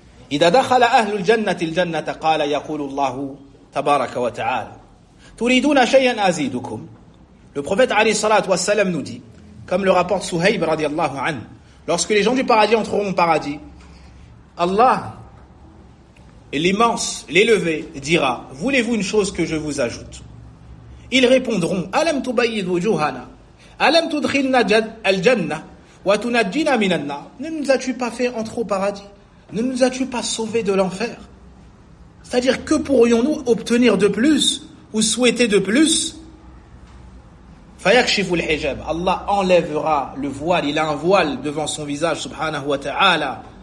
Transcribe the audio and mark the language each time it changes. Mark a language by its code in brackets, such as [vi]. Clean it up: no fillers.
[ar] إِذَا دَخَلَ أَهْلُ الْجَنَّةِ الْجَنَّةَ قَالَ يَقُولُ اللَّهُ تَبَارَكَ وَتَعَالَ تُرِيدُونَ شَيْئًا أَزِيدُكُمْ. [fr] Le prophète [ar] عليه الصلاة والسلام [fr] nous dit, comme le rapporte Suhaib radiallahu anhu, lorsque les gens du paradis entreront au paradis, Allah, l'immense, l'élevé, dira, voulez-vous une chose que je vous ajoute? Ils répondront, [ar] أَلَمْ تُبَيِّدْ وُجُوهَنَا أَلَمْ تُدْخِلْنَا الْجَنَّةِ وَتُنَجِّنَا مِنَ النَّارِ. [fr] Ne nous as-tu pas fait entrer au paradis? Ne nous as-tu pas sauvés de l'enfer? C'est-à-dire, que pourrions-nous obtenir de plus ou souhaiter de plus? [ar] Fayakshifu al-hijab. [fr] Allah enlèvera le voile. Il a un voile devant son visage, subhanahu wa ta'ala.